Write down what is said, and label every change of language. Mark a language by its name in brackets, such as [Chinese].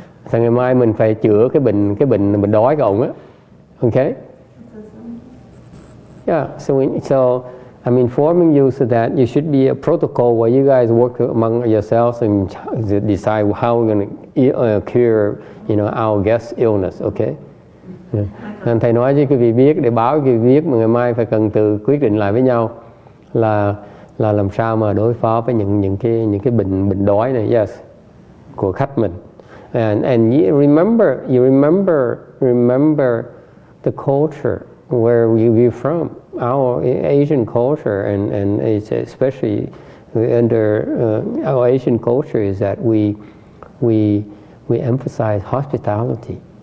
[Vietnamese] So ngày mai mình phải chữa cái bệnh đói của ông á. [English] Okay. Yeah, so I'm informing you so that you should be a protocol where you guys work among yourselves and decide how we're going to cure, you know, our guest's illness, okay? Yeah. [Vietnamese] Thầy nói cho quý vị biết, để báo cho quý vị biết mà ngày mai phải cần tự quyết định lại với nhau là làm sao mà đối phó với những cái bệnh đói này, yes, của khách mình. [English] And you remember the culture where we're from. Our Asian culture and it's especially under our Asian culture is that we emphasize hospitality.